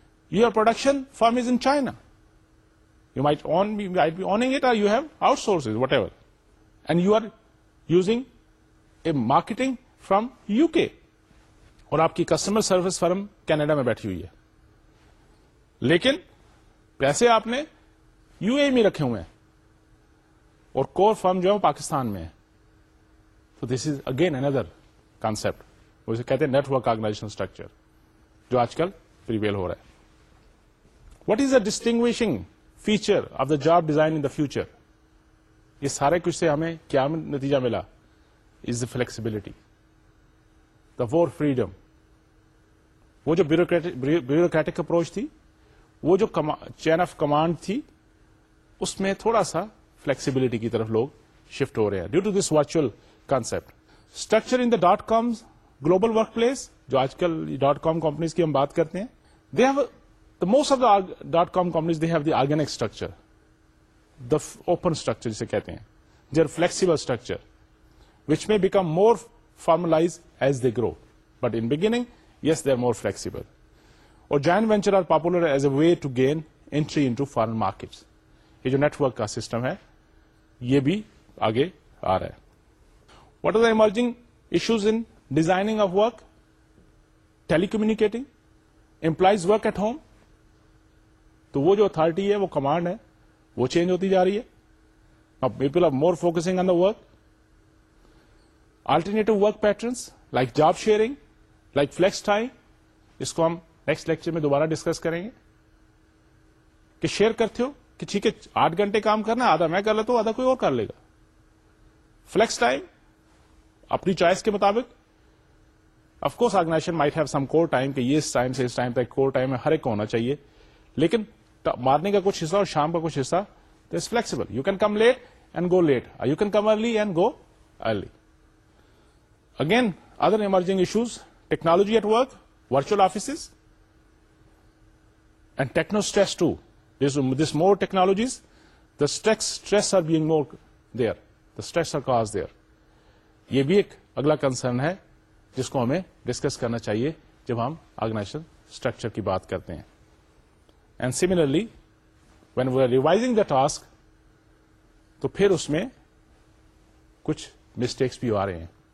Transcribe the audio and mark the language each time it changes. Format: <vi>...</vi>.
<en>your production firm is in China, you might own might be owning it, you have outsource whatever, and you are using a marketing from U K,</en> <ur>اور آپ کی customer service فرم Canada میں بیٹھی ہوئی ہے, لیکن پیسے آپ نے یو اے میں رکھے ہوئے ہیں, اور کور فرم جو ہے وہ پاکستان میں ہے. تو دس از اگین اندر کانسپٹ, وہ اسے کہتے ہیں نیٹورک آرگنائزیشن اسٹرکچر جو آج کل پریویل ہو رہا ہے.</ur> <en>What is the distinguishing feature of the job design in the future?</en> <ur>یہ سارے کچھ سے ہمیں کیا نتیجہ ملا,</ur> <en>Is the flexibility, the four freedom.</en> <ur>وہ جو بیوروکریٹک اپروچ تھی, وہ جو چین آف کمانڈ تھی, اس میں تھوڑا سا flexibility کی طرف لوگ shift ہو رہے ہیں</ur> <en>due to this virtual concept. Structure in the dot-com global workplace,</en> <ur>جو آج کل dot-com companies کی ہم بات کرتے ہیں,</ur> <en>they have the most of the dot-com companies, they have the organic structure, the open structure جسے کہتے ہیں, their flexible structure which may become more formalized as they grow, but in beginning yes they are more flexible. اور joint venture are popular as a way to gain entry into foreign markets.</en> <ur>یہ جو network کا system ہے یہ بھی آگے آ رہا ہے.</ur> <en>What are the emerging issues in designing of work? Telecommunicating, employees work at home.</en> <ur>تو وہ جو اتارٹی ہے, وہ کمانڈ ہے, وہ چینج ہوتی جا رہی ہے.</ur> <en>People are more focusing on the work.</en> <ur>Alternative work patterns like job sharing, like flex time, اس کو ہم نیکسٹ لیکچر میں دوبارہ ڈسکس کریں گے کہ شیئر کرتے ہو کہ ٹھیک ہے 8 گھنٹے کام کرنا ہے, آدھا میں کر لیتا ہوں, آدھا کوئی اور کر لے گا. فلیکس ٹائم اپنی چوائس کے مطابق.</ur> <en>of course organization might have some core time,</en> <ur>کہ یہ اس ٹائم سے اس ٹائم تک کور ٹائم ہے, ہر ایک ہونا چاہیے, لیکن مارننگ کا کچھ حصہ اور شام کا کچھ حصہ تو it's flexible.</ur> <en>You can come late and go late, you can come early and go early. Again other emerging issues, technology at work, virtual offices and techno stress too. This more technologies, the stress are being more there, the stress are cause there.</en> <ur>یہ بھی ایک اگلا concern ہے جس کو ہمیں discuss کرنا چاہیے جب ہم آرگنائزیشن اسٹرکچر کی بات کرتے ہیں.</ur> <en>and similarly when we are revising the task,</en> <ur>تو پھر اس میں کچھ مسٹیکس بھی آ رہے ہیں.</ur>